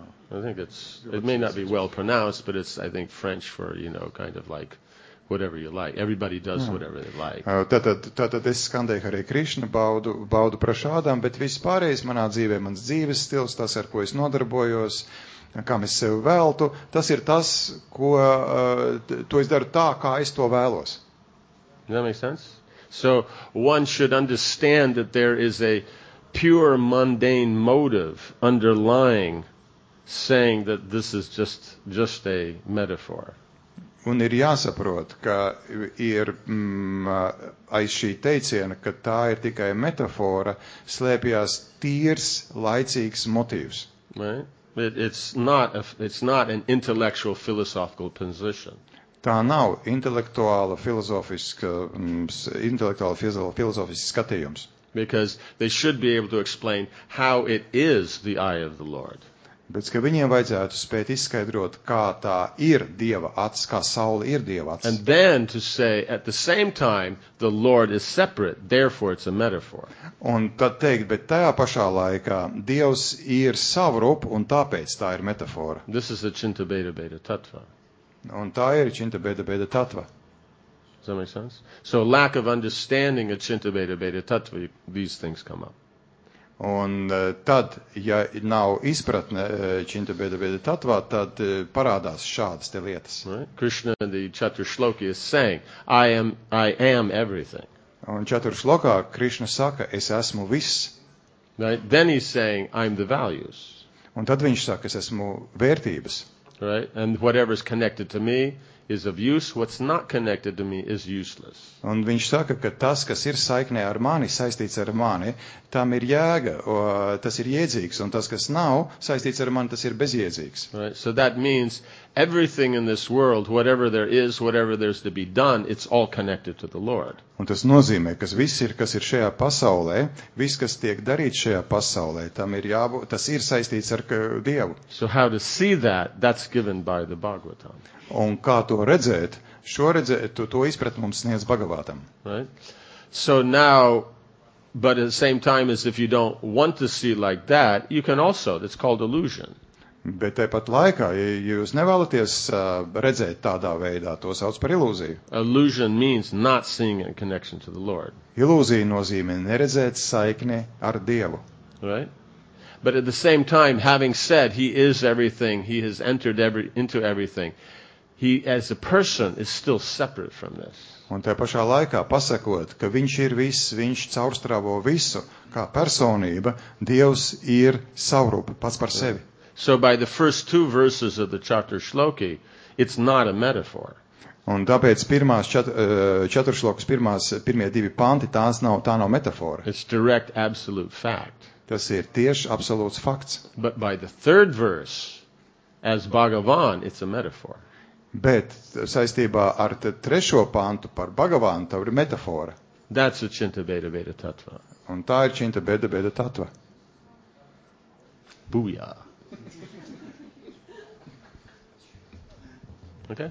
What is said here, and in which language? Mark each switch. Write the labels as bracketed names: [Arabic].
[English] I think it may not be well pronounced, but it's, I think, French for, you know, kind of like whatever you like. Everybody does whatever they like. [Latvian] Tātad es skandēju Hare Krishna, baudu prasādam, bet vispārējais manā dzīvē, mans dzīves stils, tas, ar ko es nodarbojos, kam es sevi veltu, tas ir tas, ko to es daru tā, kā es to vēlos. [English] Does that make sense? So one should understand that there is a pure mundane motive underlying saying that this is just a metaphor. [Latvian] Un ir jāsaprot, ka ir aiz šī teiciena, ka tā ir tikai metafora, slēpjas tīrs, laicīgs motīvs. [English] Right? It's not an intellectual philosophical position. [Latvian] Tā nav intelektuāla filozofiska skatījums. [English] Because they should be able to explain how it is the eye of the Lord. [Latvian] Bet ka viņiem vajadzētu spēt izskaidrot, kā tā ir Dieva acs, kā saule ir Dieva acs. [English] And then to say at the same time the Lord is separate, therefore it's a metaphor. [Latvian] Un tad teikt, bet tajā pašā laikā Dievs ir savrup un tāpēc tā ir metafora. [English] This is the Chintabeda-Beda tattva. [Latvian] Un tā ir Chintabeda-Beda tattva. [English] Does that make sense? So lack of understanding of Chintabeda-Beda tattva, these things come up. [Latvian] Un tad, ja nav izpratne Chintabeda-Beda tattvā, tad parādās šādas te lietas. [English] Right? Krishna, the [Latvian] četru šloki, [English] is saying, I am everything. [Latvian] Un četru šlokā Krishna saka, es esmu viss. [English] Right? Then he's saying, I'm the values. [Latvian] Un tad viņš saka, es esmu vērtības. [English] Right? And whatever is connected to me is of use, what's not connected to me is useless. [Latvian] Un viņš saka, ka tas, kas ir saiknē ar mani, saistīts ar mani, tam ir jēga, tas ir jēdzīgs, un tas, kas nav saistīts ar mani, tas ir bezjēdzīgs. [English] Right? So that means everything in this world, whatever there is, whatever there's to be done, it's all connected to the Lord. [Latvian] Un tas nozīmē, ka viss ir, kas ir šajā pasaulē, viss, kas tiek darīts šajā pasaulē, tam ir jābūt, tas ir saistīts ar Dievu. [English] So how to see that, that's given by the Bhagavatam. [Latvian] Un kā to redzēt, šo redzēt, to izprat mums sniedz Bhagavatam. [English] Right? So now, but at the same time as if you don't want to see like that, you can also, that's called illusion. [Latvian] Bet tepat laikā, ja jūs nevēlaties redzēt tādā veidā, to sauc par ilūziju. [English] Illusion means not seeing a connection to the Lord. [Latvian] Ilūzija nozīmē neredzēt saikni ar Dievu. [English] Right? But at the same time, having said he is everything, he has entered into everything, he as a person is still separate from this. [Latvian] Un tajā pašā laikā pasakot, ka viņš ir viss, viņš caurstrāvo visu, kā personība, Dievs ir savrupa pats par sevi. [English] So by the first two verses of the Chaturshloki, it's not a metaphor. [Latvian] Un tāpēc pirmās Chaturshlokas pirmie divi panti, tā nav metafora. [English] It's direct absolute fact. [Latvian] Tas ir tieši absolūts fakts. [English] But by the third verse, as Bhagavan, it's a metaphor. [Latvian] Bet saistībā ar trešo pantu par Bhagavanu, tā ir metafora. [English] That's a Chintabeda-Beda tattva. [Latvian] Un tā ir Chintabeda-Beda tattva. [English] Booyah. Okay?